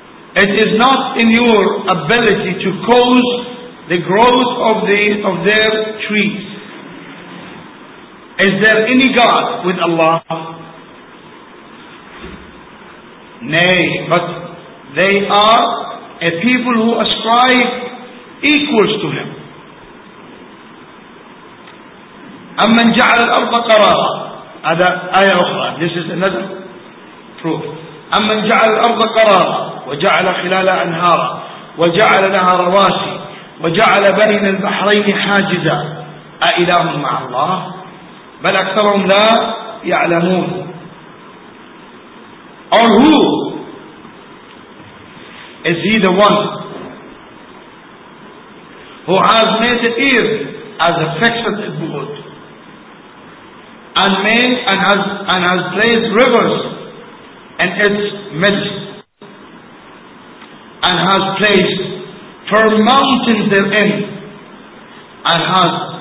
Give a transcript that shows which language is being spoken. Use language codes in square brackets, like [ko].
[en] It is not in your ability to cause the growth of the of their trees. Is there any God with Allah? Nay, but they are a people who ascribe equals to him. [ar] أمن جعل الأرض قرارا, هذا آية أخرى, [en] this is another proof. [ar] أمن جعل الأرض قرارا وجعل خلالها أنهارا وجعل لها رواسي وجعل بين البحرين حاجزا أإله مع الله بل أكثرهم لا يعلمون. [en] Or who is he the one who has made the earth as a fixed abode and has placed rivers in its midst and has placed firm mountains therein and has